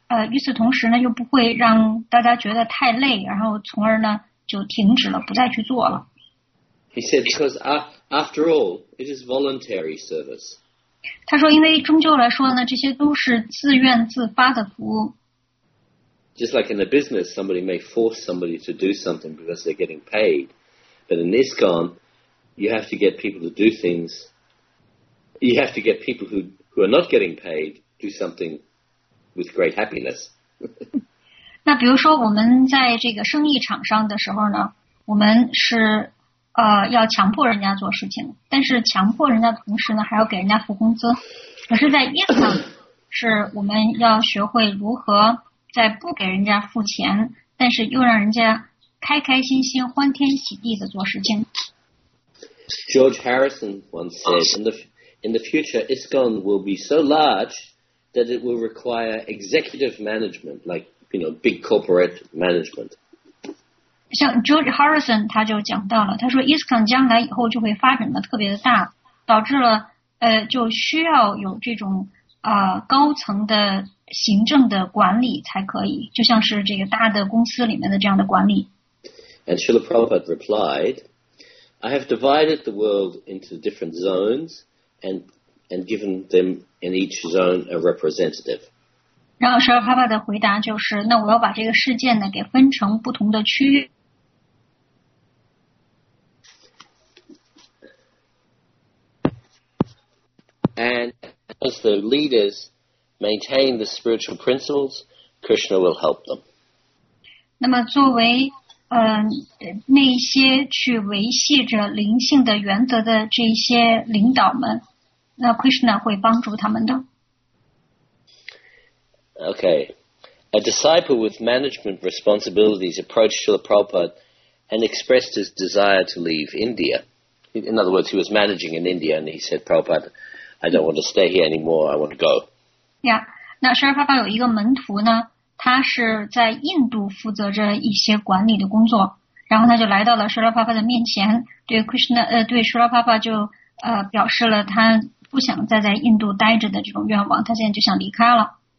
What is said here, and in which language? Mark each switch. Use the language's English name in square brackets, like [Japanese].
[Chinese] 与此同时呢又不会让大家觉得太累，然后从而呢就停止了，不再去做了。 [English] He said, because after all, it is voluntary service. [Chinese] 他说因为终究来说呢这些都是自愿自发的服务。 [English] Just like in a business, somebody may force somebody to do something because they're getting paid. But in ISKCON, you have to get people to do things. You have to get people who are not getting paid do something. With great happiness. [Chinese] 那比如说我们在这个生意场上的时候呢我们是要强迫人家做事情，但是强迫人家同时呢还要给人家付工资。可是在业务呢是我们要学会如何在不给人家付钱但是又让人家开开心心欢天喜地的做事情。 [English] George Harrison once said, in the future, ISKCON will be so large,that it will require executive management, like, you know, big corporate management. [Chinese] 像 George Harrison 他就讲到了，他说 ISKCON 将来以后就会发展的特别的大，导致了就需要有这种高层的行政的管理才可以，就像是这个大的公司里面的这样的管理。 [English] And Srila Prabhupada replied, I have divided the world into different zones and given them in each zone a representative. [Chinese] 然后 Srila Prabhupada 的回答就是那我要把这个世界呢给分成不同的区域。 [English] And as the leaders maintain the spiritual principles, Krishna will help them. [Chinese] 那么作为那些去维系着灵性的原则的这些领导们那 Krishna 会帮助他们的。 [English] Okay. A disciple with management responsibilities approached Srila Prabhupada and expressed his desire to leave India. In other words, he was managing in India and he said, Prabhupada, I don't want to stay here anymore, I want to go. [Chinese] Yeah. 那 Srila Prabhupada 有一个门徒呢他是在印度负责着一些管理的工作然后他就来到了 Srila Prabhupada 的面前对 Krishna, 对 Srila Prabhupada 就表示了他不想再在印度待着的这种愿望，他现在就想离开了。